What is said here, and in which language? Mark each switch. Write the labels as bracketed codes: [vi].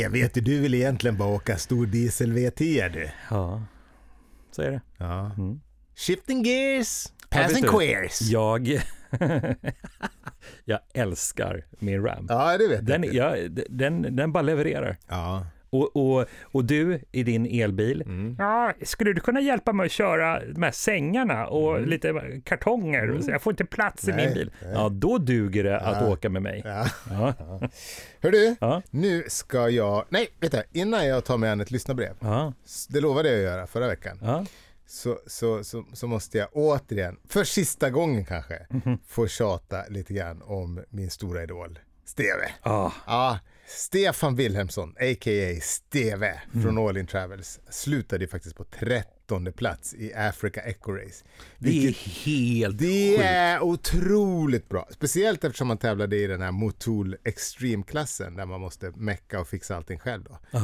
[sv] Jag vet du vill egentligen bara åka stor diesel V10 är du. Ja, så är det. Ja. Mm. [en] Shifting gears, passing queers. [sv] Jag älskar min Ram. Ja, det vet den, jag. Den bara levererar. Ja. Och du i din elbil, ja, skulle du kunna hjälpa mig att köra de här sängarna och lite kartonger? Så jag får inte plats i min bil. Nej. Ja, då duger det att åka med mig. Ja. Hör du, nu ska jag... Nej, vet du, innan jag tar mig an ett lyssnarbrev, det lovade jag att göra förra veckan, så måste jag återigen, för sista gången kanske, få tjata lite grann om min stora idol, Steve. Ja. Ja. Stefan Wilhelmsson, a.k.a. Steve från All In Travels, slutade faktiskt på 13:e plats i Africa Eco Race. Det är helt sjukt. Det är otroligt bra. Speciellt eftersom man tävlade i den här Motul Extreme-klassen där man måste mecka och fixa allting själv. Då.